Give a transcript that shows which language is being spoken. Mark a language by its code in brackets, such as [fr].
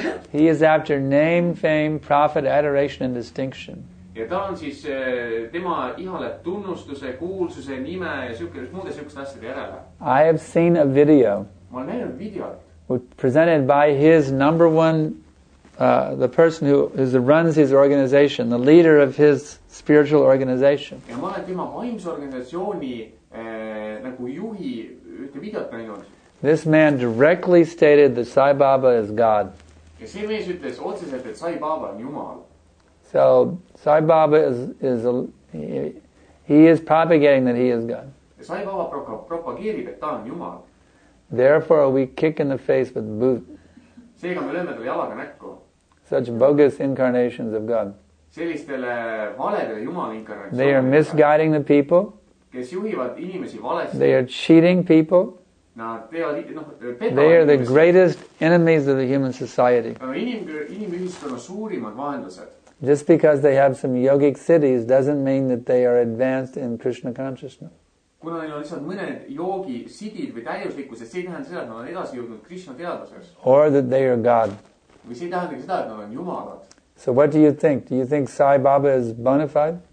[en] He is after name, fame, profit, adoration, and distinction. [et] Ja ta on siis tema ihaleb tunnustuse, kuulsuse, nime ja muude sellised asjad järele. [en] I have seen a video. [et] Ma olen näinud videot. [en] Presented by his number one, the person who runs his organization, the leader of his spiritual organization. [et] Ja ma olen tema vaimse organisatsiooni nagu juhi ühte videot näinud. [en] This man directly stated that Sai Baba is God. [et] Ja see mees ütles otseselt, et Sai Baba on Jumal. [en] So Sai Baba is propagating that he is God. [et] Sai Baba propageerib, et ta on Jumal. [en] Therefore we kick in the face with boot. [et] Seega me lööme tal jalaga näkku. [en] Such bogus incarnations of God. [et] Sellistele valedele Jumal incarnations. [en] They are misguiding the people. [et] Kes juhivad inimesi valesti. [en] They are cheating people. They are the greatest enemies of the human society. [et] Inimühiskonna suurimad vaenlased. [en] Just because they have some yogic siddhis doesn't mean that they are advanced in Krishna consciousness. [et] Kuna neil on lihtsalt mõned yogi siddhid või täiuslikkuse, see ei tähenda seda, et nad on edasi jõudnud Krishna teadvuses. [en] Or that they are God. [et] Või see ei tähenda seda, et nad on jumalad. [en] So what do you think? Do you think Sai Baba is bona fide?